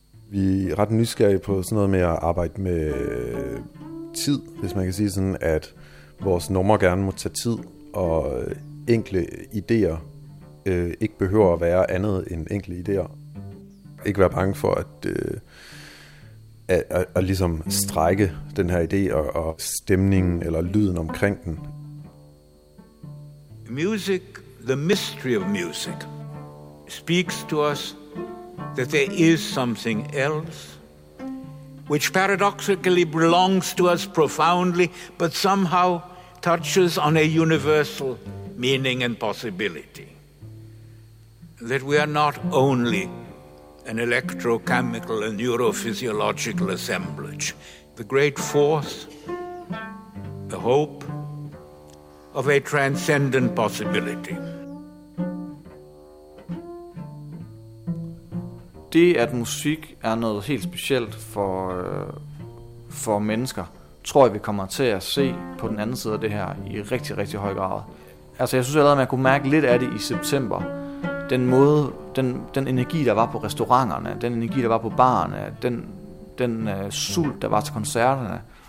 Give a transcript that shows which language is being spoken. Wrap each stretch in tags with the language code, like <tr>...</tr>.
<da>Vi er ret nysgerrige på sådan noget med at arbejde med tid, hvis man kan sige sådan, at vores numre gerne må tage tid, og enkle idéer ikke behøver at være andet end enkle idéer. Ikke være bange for at ligesom strække den her idé og stemningen eller lyden omkring den.</da> <en>Music, the mystery of music, speaks to us that there is something else which paradoxically belongs to us profoundly, but somehow touches on a universal meaning and possibility. That we are not only an electrochemical and neurophysiological assemblage, the great force, the hope of a transcendent possibility.</en> <da>Det, at musik er noget helt specielt for mennesker, tror jeg, vi kommer til at se på den anden side af det her i rigtig, rigtig høj grad. Altså, jeg synes allerede, at man kunne mærke lidt af det i september. Den måde, den energi, der var på restauranterne, den energi, der var på barerne, den sult, der var til koncerterne.</da>